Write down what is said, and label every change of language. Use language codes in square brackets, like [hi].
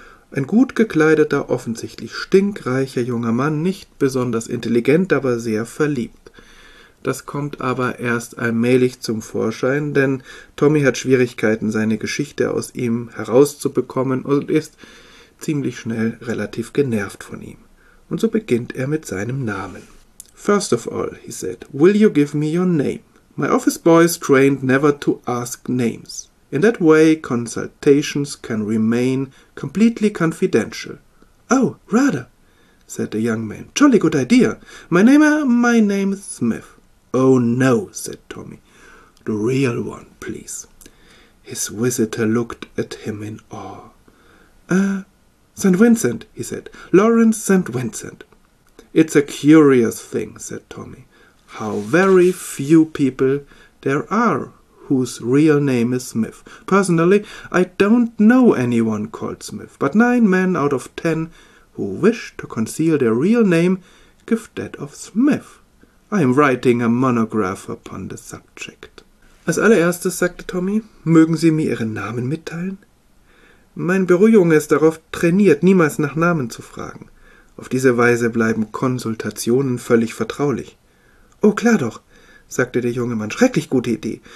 [de] Ein gut gekleideter, offensichtlich stinkreicher junger Mann, nicht besonders intelligent, aber sehr verliebt. Das kommt aber erst allmählich zum Vorschein, denn Tommy hat Schwierigkeiten, seine Geschichte aus ihm herauszubekommen und ist ziemlich schnell relativ genervt von ihm. Und so beginnt er mit seinem Namen. [en] First of all, he said, will you give me your name? My office boy is trained never to ask names. In that way, consultations can remain completely confidential. Oh, rather, said the young man. Jolly good idea. My name is Smith. Oh, no, said Tommy. The real one, please. His visitor looked at him in awe. St. Vincent, he said. Lawrence St. Vincent. It's a curious thing, said Tommy, how very few people there are whose real name is Smith. Personally, I don't know anyone called Smith, but 9 men out of 10 who wish to conceal their real name give that of Smith. I am writing a monograph upon the subject. [de] Als allererstes, sagte Tommy, mögen Sie mir Ihren Namen mitteilen? Mein Bürojunge ist darauf trainiert, niemals nach Namen zu fragen. Auf diese Weise bleiben Konsultationen völlig vertraulich. Oh, klar doch, sagte der junge Mann, schrecklich gute Idee.